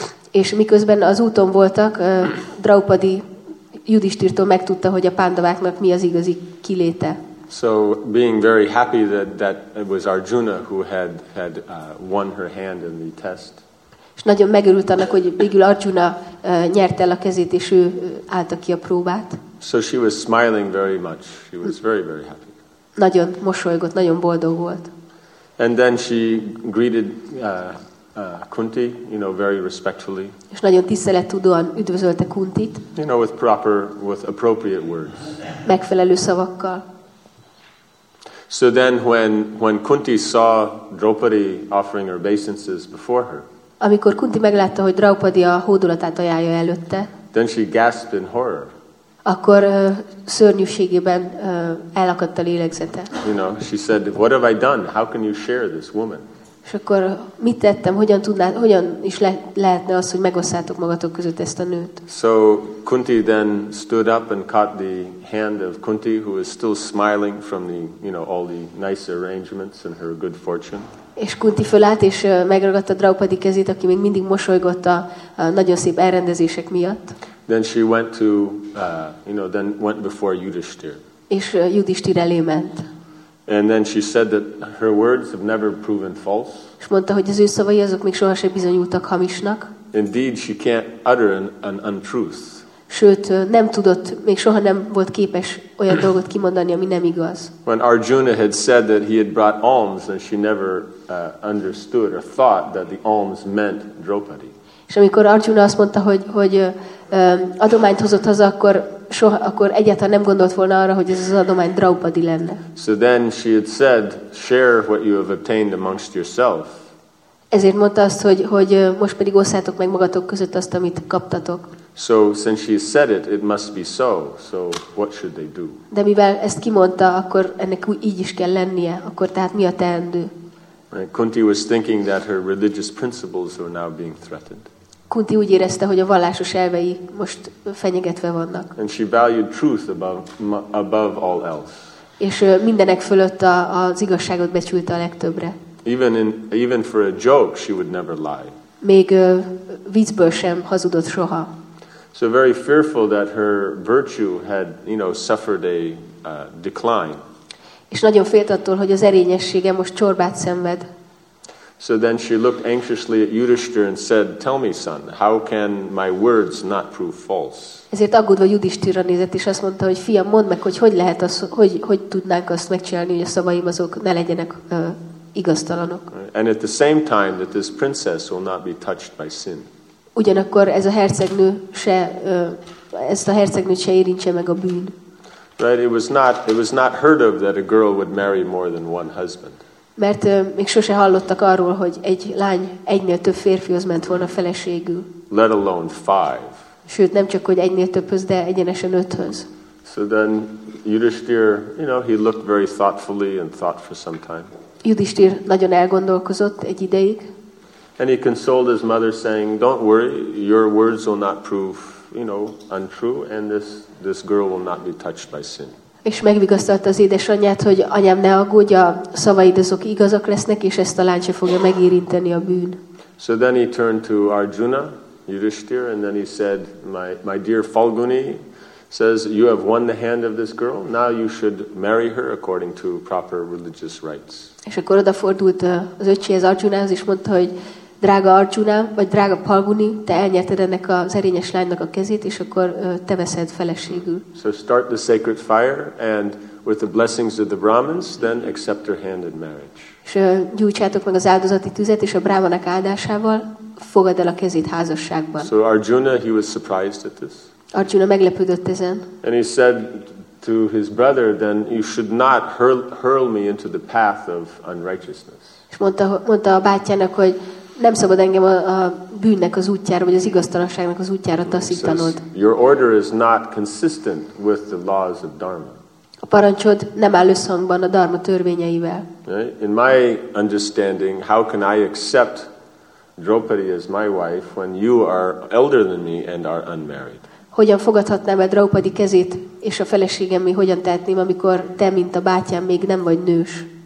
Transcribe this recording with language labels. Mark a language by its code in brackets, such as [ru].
[hu] És miközben az úton voltak, Draupadi Yudhishthirtól megtudta, hogy a Pandavaknak mi az igazi kiléte. [en] So being very happy that it was Arjuna who had won her hand in the test. [hu] És nagyon megörült annak, hogy végül Arjuna nyerte el a kezét, és ő állta ki a próbát. [en] So she was smiling very much. She was very, very happy. [hu] Nagyon mosolygott, nagyon boldog volt. [en] And then she greeted Kunti, you know, very respectfully. [hu] És nagyon tisztelettudóan üdvözölte Kuntit. [en] You know, with appropriate words. [hu] Megfelelő szavakkal. [en] So then when Kunti saw Draupadi offering her obeisances before her. [hu] Amikor Kunti meglátta, hogy Draupadi a hódolatát ajánlja előtte. [en] Then she gasped in horror. [hu] Akkor szörnyűségében elakadt a lélegzete. [en] You know, she said, "What have I done? How can you share this woman?" [hu] És akkor mit tettem? Hogyan is lehetne az, hogy megosztátok magatok között ezt a nőt? [en] So Kunti then stood up and caught the hand of Kunti, who was still smiling from the, you know, all the nice arrangements and her good fortune. [hu] És Kunti fölállt és megragadta Draupadi kezét, aki még mindig mosolygott a nagyon szép elrendezések miatt. [en] Then she went to, then went before Yudhishthir. [hu] És Yudhishthir elé ment. [en] And then she said that her words have never proven false. [hu] És mondta, hogy az ő szavai azok még sohasem bizonyultak hamisnak. [en] Indeed, she can't utter an untruth. [hu] Sőt, nem tudott, még soha nem volt képes olyan dolgot kimondani, ami nem igaz. [en] When Arjuna had said that he had brought alms, and she never understood or thought that the alms meant Draupadi. [hu] És amikor Arjuna azt mondta, hogy adományt hozott haza, akkor egyáltalán nem gondolt volna arra, hogy ez az adomány Draupadi lenne. [en] So then she had said, share what you have obtained amongst yourself. [hu] Ezért mondta azt, hogy most pedig osszátok meg magatok között azt, amit kaptatok. [en] So since she said it must be so. So what should they do? [hu] De mivel ezt kimondta, akkor ennek így is kell lennie, akkor tehát mi a teendő? [en] Kunti was thinking that her religious principles were now being threatened. [hu] Kunti úgy érezte, hogy a vallásos elvei most fenyegetve vannak. [en] And she valued truth above all else. [hu] És mindenek fölött az igazságot becsülte a legtöbbre. [en] Even for a joke she would never lie. [hu] Még viccből sem hazudott soha. [en] So very fearful that her virtue had, you know, suffered a decline. [hu] És nagyon félt attól, hogy az erényessége most csorbát szenved. [en] So then she looked anxiously at Yudhishthir and said, "Tell me, son, how can my words not prove false?" [hu] Ezért aggódva Yudhishthirra nézett és azt mondta, hogy fiam, mondd meg, hogy lehet az, hogy tudnánk azt megcsinálni, hogy a szavaim azok ne legyenek igaztalanok. [en] And at the same time that this princess will not be touched by sin. [hu] Ugyanakkor ez a hercegnő se ezt a hercegnőt se érintse meg a bűn. [en] Right, it was not heard of that a girl would marry more than one husband. [hu] Mert még sose hallottak arról, hogy egy lány egynél több férfihoz ment volna feleségül. [en] Let alone five. [hu] Sőt, nem csak, hogy egynél többhöz, de egyenesen öthöz. [en] So then Yudhishthir, you know, he looked very thoughtfully and thought for some time. [hu] Yudhishthir nagyon elgondolkozott egy ideig. [en] And he consoled his mother saying, "Don't worry, your words will not prove, you know, untrue, and this girl will not be touched by sin." [hu] És megvigasztalta az édesanyját, hogy anyám, ne aggódj, a szavaid azok igazak lesznek, és ezt a lány se fogja megérinteni a bűn. [en] So then he turned to Arjuna, Yudhishthir, and then he said, my dear Falguni says, you have won the hand of this girl, now you should marry her according to proper religious rites. [hu] És akkor odafordult az öccséhez, Arjunához, és mondta, hogy drága Arjuna, vagy drága Palguni, te elnyerted ennek az erényes lánynak a kezét, és akkor te veszed feleségül. [en] So start the sacred fire, and with the blessings of the Brahmins, then accept her hand in marriage. [hu] És gyújtsátok meg az áldozati tüzet, és a brámanak áldásával fogad el a kezét házasságban. [en] So Arjuna, he was surprised at this. [hu] Arjuna meglepődött ezen. [en] And he said to his brother, then you should not hurl me into the path of unrighteousness. [hu] És mondta a bátyának, hogy nem szabad engem a bűnnek az útjára, vagy az igaztalanságnak az útjára taszítanod. [en] Says, your order is not consistent with the laws of Dharma. [hu] A parancsod nem áll összhangban a dharma törvényeivel. [en] In my understanding, how can I accept Draupadi as my wife when you are elder than me and are unmarried? [hu] Hogyan fogadhatnám el Draupadi kezét és a feleségem, mi hogyan tehetném, amikor te, mint a bátyám, még nem vagy nős?